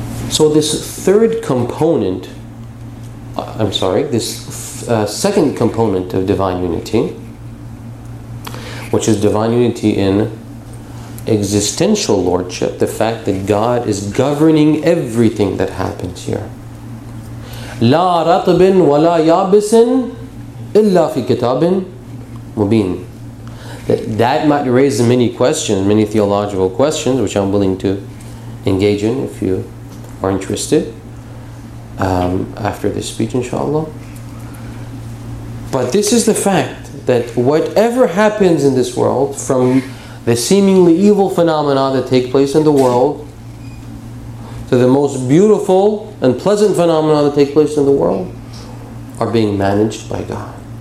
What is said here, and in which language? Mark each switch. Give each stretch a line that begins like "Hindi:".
English: So this third component, I'm sorry, this second component of divine unity, which is divine unity in existential lordship, the fact that God is governing everything that happens here.
Arabic: لا رطب ولا يابس إلا في كتاب مبين.
English: That might raise many questions, many theological questions, which I'm willing to engage in if you are interested after this speech, inshallah. But this is the fact, that whatever happens in this world, from the seemingly evil phenomena that take place in the world, to the most beautiful and pleasant phenomena that take place in the world, are being managed by God.